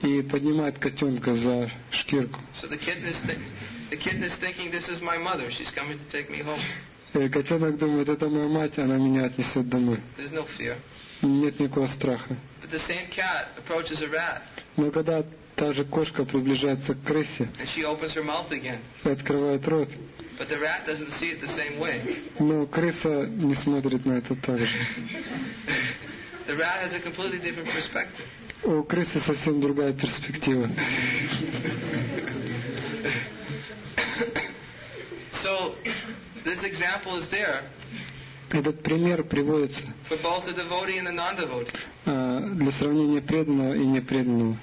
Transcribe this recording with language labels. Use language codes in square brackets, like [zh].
[ru] поднимает котенка за шкирку. [en] So the kitten is thinking, this is my mother, she's coming to take me home. [ru] И котенок думает, это моя мать, она меня отнесет домой. [en] There's no fear. [ru] Нет никакого страха. [en] But the same cat approaches a rat. [ru] Но когда та же кошка приближается к крысе [en] and she opens her mouth again [ru] и открывает рот, [en] but the rat doesn't see it the same way. [ru] Но крыса не смотрит на это так же. [en] The rat has a completely different perspective. [ru] У крысы совсем другая перспектива. [en] So, this example is there. [ru] Этот пример приводится [en] for both the devotee and the non-devotee. [ru] Для сравнения преданного и непреданного.